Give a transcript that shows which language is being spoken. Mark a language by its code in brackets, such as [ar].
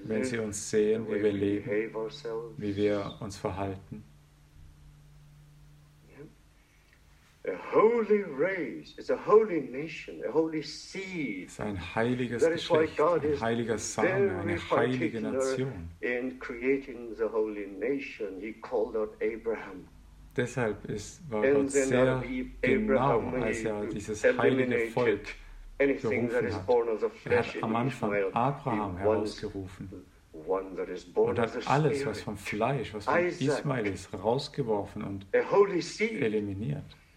[de] wenn sie uns sehen, wie wir leben, [en] ourselves. [de] Wie wir uns verhalten? [en] A holy race is a holy nation, a holy seed. [de] Ist ein heiliges Geschlecht, ein heiliger Same, eine heilige Nation. [en] In creating the holy nation, he called out Abraham. [de] Deshalb war Gott sehr genau, als er dieses heilige Volk gerufen hat. Er hat am Anfang Abraham herausgerufen und hat alles, was vom Fleisch, was von Ismael ist, rausgeworfen und eliminiert.